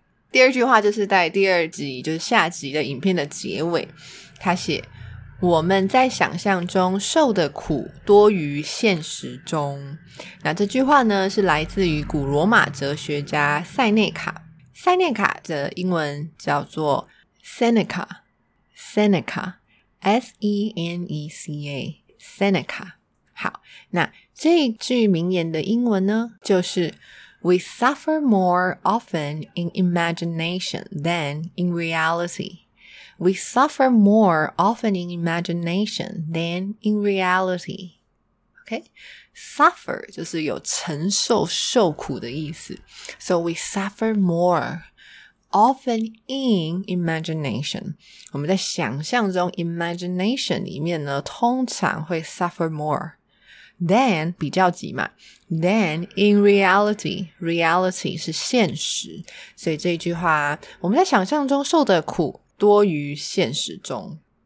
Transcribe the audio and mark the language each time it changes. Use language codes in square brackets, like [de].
[zh] 第二句话就是在第二集就是下集的影片的结尾，他写我们在想象中受的苦多于现实中。那这句话呢是来自于古罗马哲学家塞内卡，塞内卡的英文叫做 Seneca S-E-N-E-C-A Seneca。好，那这一句名言的英文呢就是 [en] We suffer more often in imagination than in reality. We suffer more often in imagination than in reality. Okay? [zh] Suffer 就是有承受受苦的意思。 [en] So we suffer more often in imagination. [zh] 我们在想象中 imagination 里面呢通常会 [en] suffer more than [zh] 比较级嘛 [en] than in reality. [zh] Reality 是现实。所以这句话我们在想象中受的苦多于现实中。